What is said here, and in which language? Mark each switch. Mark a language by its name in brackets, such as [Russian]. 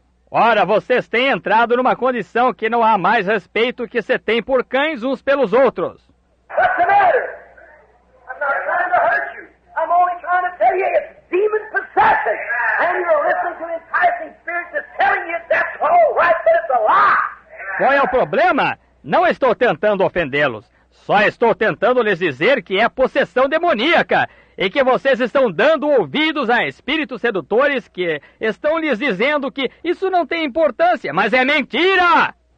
[Portuguese] Ora, vocês têm entrado numa condição que não há mais respeito que se tem por cães uns pelos outros. [English] What's the matter? I'm not trying to hurt you. I'm only trying to tell you it's demon possession. And you're listening to an enticing spirit that's telling you that's all right, but it's a lie. [Portuguese] Qual é o problema? Não estou tentando ofendê-los. Só estou tentando lhes dizer que é possessão demoníaca e que vocês estão dando ouvidos a espíritos sedutores que estão lhes dizendo que isso não tem importância, mas é mentira!